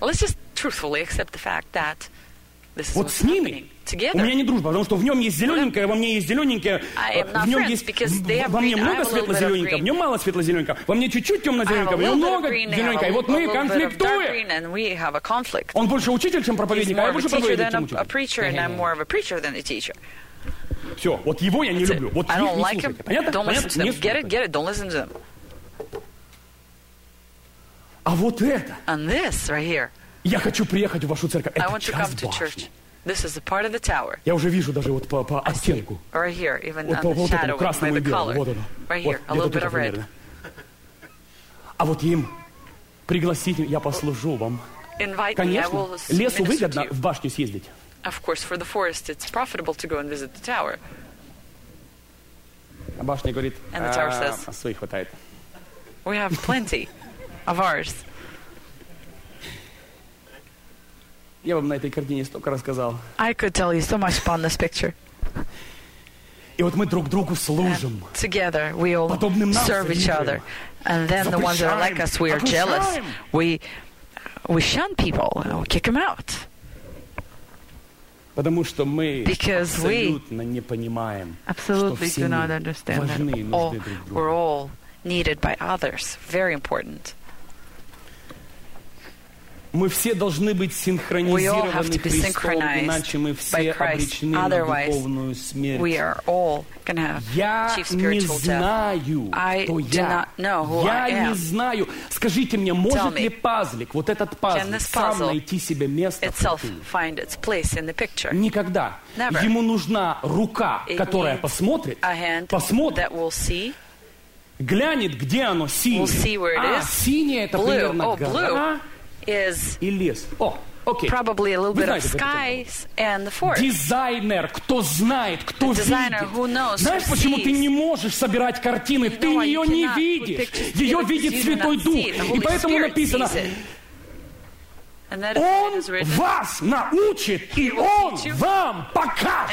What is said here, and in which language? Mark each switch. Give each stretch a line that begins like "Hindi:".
English: Let's just truthfully accept the fact that this is
Russian: вот
English: what's happening. Together.
Russian: У меня не дружба, потому что в нем есть зелененькое, во мне есть зелененькое, в нем есть, во мне много светло-зелененького, в нем мало светло-зелененького, во мне чуть-чуть темно-зелененького, в нем много зелененького, и вот мы конфликтуем. Он больше учитель, чем проповедник, а я больше проповедник, чем учитель. Все, вот его я не люблю, вот их не слушайте, понятно?
English: Get it, don't listen to them.
Russian: А вот это, я хочу приехать в вашу церковь, это час башни.
English: This is a part of the tower.
Russian: Я уже вижу даже вот по оттенку.
English: Right here, even on the shadow, by the color.
Russian: Вот оно.
English: Right here, a little bit of red.
Russian: А вот им пригласите, я послужу вам. Конечно, лесу выгодно в башню съездить.
English: Of course, for the forest, it's profitable to go and visit the tower.
Russian: А башня говорит, своих хватает.
English: We have plenty of ours.
Russian: Я вам на этой картине столько рассказал.
English: I could tell you so much upon this picture.
Russian: И вот мы друг другу служим.
English: And together we all serve each other. And then
Russian: запрещаем,
English: the ones that are like us, we are
Russian: окружаем.
English: Jealous. We shun people and we kick them out.
Russian: Потому что мы абсолютно не понимаем, что все мы важны и нужны друг другу.
English: We're all needed by others. Very important.
Russian: Мы все должны быть синхронизированы Христом, иначе мы все обречены на духовную смерть.
English: We are all gonna have
Russian: я не знаю, кто я. Я не знаю. Скажите мне, может ли пазлик, вот этот пазлик, сам найти себе место? Никогда.
English: Never.
Russian: Ему нужна рука, которая посмотрит,
English: that will see.
Russian: Глянет, где оно синее.
English: We'll see where it is.
Russian: Синее это
English: blue.
Russian: Примерно гора.
English: Is probably a little bit of skies and the forest.
Russian: Дизайнер, кто знает, кто видит.
English: Designer who knows.
Russian: Знаешь, почему ты не можешь собирать картины? Ты ее не видишь. Ее видит Святой Дух. И поэтому написано, Он вас научит, и Он вам покажет.